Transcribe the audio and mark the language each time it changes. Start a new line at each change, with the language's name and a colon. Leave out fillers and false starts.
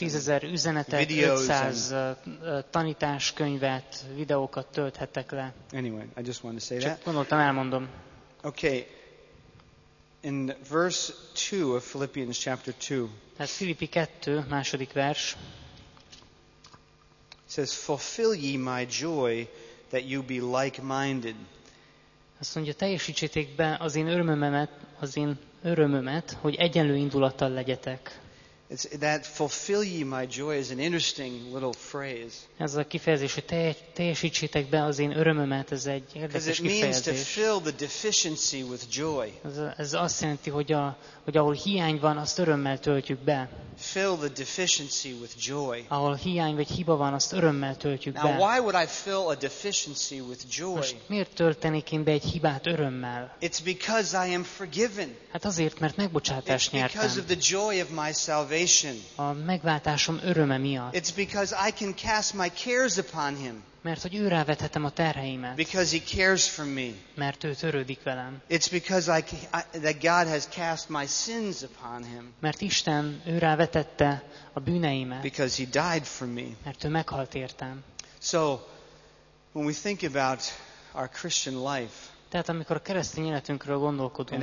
Hungarian: 10,000 üzenetet, 500 tanításkönyvet, videókat tölthettek le.
English: Anyway, I just want to say
Hungarian: that. Csak gondoltam, elmondom.
English: Okay. In verse 2 of Philippians chapter 2.
Hungarian: Tehát Filippi 2, második vers.
English: It says, fulfill ye my joy that you be like-minded.
Hungarian: Azt mondja, teljesítsétek be az én örömömet, hogy egyenlő indulattal legyetek.
English: It's that fulfill ye my joy is an interesting little phrase.
Hungarian: Ez a kifejezés, hogy teljesítsétek be az én örömömet, ez egy érdekes kifejezés.
English: Because it means to fill the deficiency with joy.
Hungarian: Ez azt jelenti, hogy ahol hiány van, azt örömmel töltjük be.
English: Fill the deficiency with joy.
Hungarian: Ahol hiány vagy hiba van, azt örömmel töltjük
English: now
Hungarian: be.
English: Now why would I fill a deficiency with joy?
Hungarian: Most miért töltenék én be egy hibát örömmel?
English: It's because I am forgiven.
Hungarian: Hát azért, mert megbocsátást nyertem.
English: Because of the joy of my salvation.
Hungarian: A megváltásom öröme miatt.
English: It's because I can cast my cares upon him.
Hungarian: Mert hogy ő rávethetem a terheimet.
English: Because he cares for me.
Hungarian: Mert ő törődik velem.
English: It's because that God has cast my sins upon him.
Hungarian: Mert Isten ő rávetette a bűneimet.
English: Because he died for me.
Hungarian: Mert ő meghalt értem.
English: So when we think about our Christian life,
Hungarian: tehát amikor a keresztény életünkről gondolkodunk,